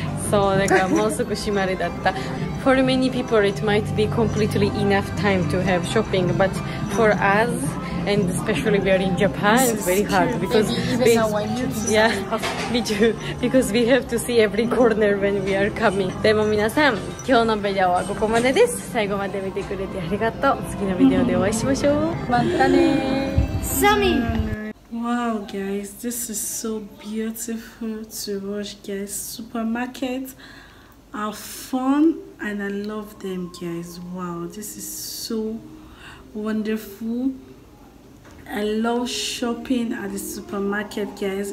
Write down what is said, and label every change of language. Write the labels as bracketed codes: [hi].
[en] So, like, [ja] もうすぐ閉まりだった。 [en] For many people, it might be completely enough time to have shopping, but for us,And especially we are in Japan, it's very hard because we have to see every corner when we are coming. [ja] でも皆さん、今日のビデオはここまでです。最後まで見てくれてありがとう。次のビデオでお会いしましょう。またね。サミ。 [en] Wow, guys, this is so beautiful to watch, guys. Supermarkets are fun and I love them, guys. Wow, this is so wonderful. I love shopping at the supermarket, guys.